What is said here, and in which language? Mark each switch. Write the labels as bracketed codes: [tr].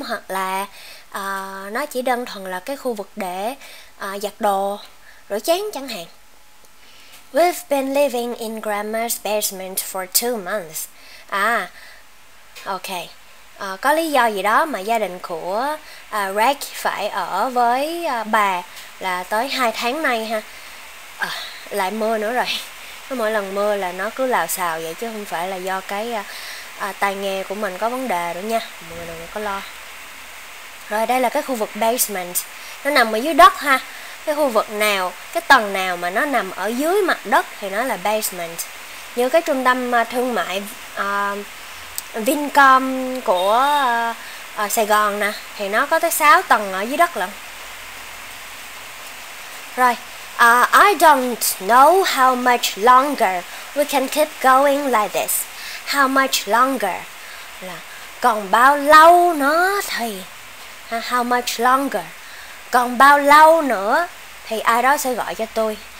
[vi] Hoặc là nó chỉ đơn thuần là cái khu vực để giặt đồ, rửa chén chẳng hạn. [en] We've been living in grandma's basement for 2 months. Okay. [vi] Có lý do gì đó mà gia đình của Rex phải ở với bà là tới 2 tháng nay ha. Lại mưa nữa rồi. Mỗi lần mưa là nó cứ lào xào vậy, chứ không phải là do cái tai nghe của mình có vấn đề nữa nha. Mọi người đừng có lo. Rồi đây là cái khu vực basement. Nó nằm ở dưới đất ha. Cái khu vực nào, cái tầng nào mà nó nằm ở dưới mặt đất thì nó là basement. Như cái trung tâm thương mại Vincom của Sài Gòn nè, thì nó có tới 6 tầng ở dưới đất lận. [en] Rồi, I don't know how much longer we can keep going like this. How much longer [vi] là còn bao lâu nữa thì, [en] how much longer, [vi] còn bao lâu nữa thì ai đó sẽ gọi cho tôi.